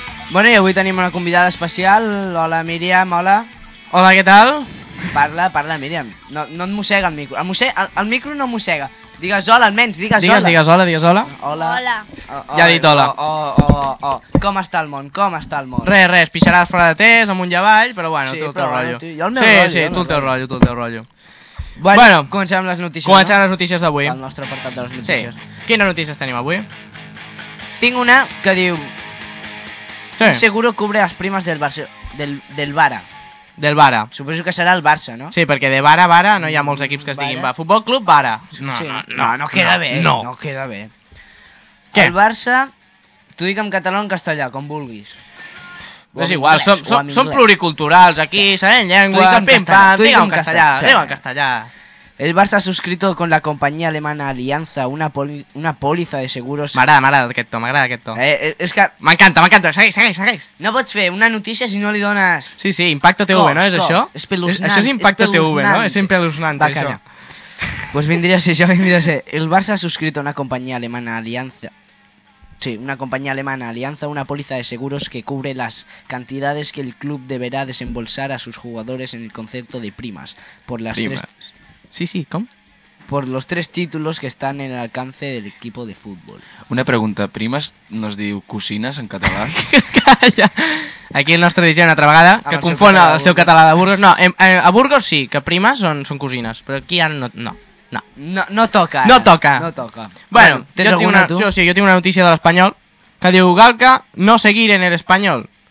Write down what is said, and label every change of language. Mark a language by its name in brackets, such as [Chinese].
[Catalan] Bueno, i avui tenim una convidada especial. Hola, Míriam, hola. Hola, què tal? Parla, parla, Míriam. No, no et mossega el micro. El micro no mossega. Digues hola, almenys, digues, digues hola. Digues hola, digues hola. Hola. Hola. Oh, oh, ja ha dit hola. Oh, oh, oh, oh. Com està el món, com està el món? Res, res, pixaràs fora de test, amunt i avall, però bueno, sí, tu el teu rotllo. Sí, però bueno, tu, sí, tu el teu rotllo, tu el teu rotllo. Bueno, comencem les notícies. Comencem no? les notícies d'avui. El nostre apartat de les notícies. Sí. Quines notícies tenim avui? Tinc una que diu... Sí. [Spanish] Un seguro cubre las primas del Barça, del Vara. Del Vara. [Catalan] Suposo que serà el Barça, no? Sí, perquè de Vara a Vara no hi ha molts equips que es diguin Vara. Futbol Club Vara. No, sí. no queda no, bé. No. No queda bé. Què? El Barça, t'ho dic en català o en castellà, com vulguis. O és igual, som pluriculturals, aquí sí. Sabem llengua, pim-pam, digue'm en castellà, digue'm en castellà. [Spanish] El Barça ha suscrito con la compañía alemana Alianza una póliza de seguros... [Catalan] M'agrada aquest to, m'agrada aquest to. És que... M'encanta, segueix. No pots fer una notícia si no li dones... Sí, sí, Impacto TV, no? És això? És pel·lucinant. Això és Impacto TV, no? És sempre al·lucinant, això. Doncs pues vindria a ser això, vindria a ser. [Spanish] El Barça ha suscrito una compañía alemana Alianza... Sí, una compañía alemana Alianza una póliza de seguros que cubre las cantidades que el club deberá desembolsar a sus jugadores en el concepto de primas. Por las primas. Tres... [Catalan] Sí, sí, ¿com? [Spanish] Por los tres títulos que están en el alcance del equipo de fútbol. [Catalan] Una pregunta, ¿primas nos diu cosines en català? Calla! Aquí el nostre dirigent, una altra vegada, que confon el seu català de Burgos. No, a Burgos sí, que primes són cosines, però aquí ara no. No toca. No toca. No toca. Bueno, jo tinc una notícia de l'Espanyol que diu Galca [Spanish] no seguir en el Espanyol.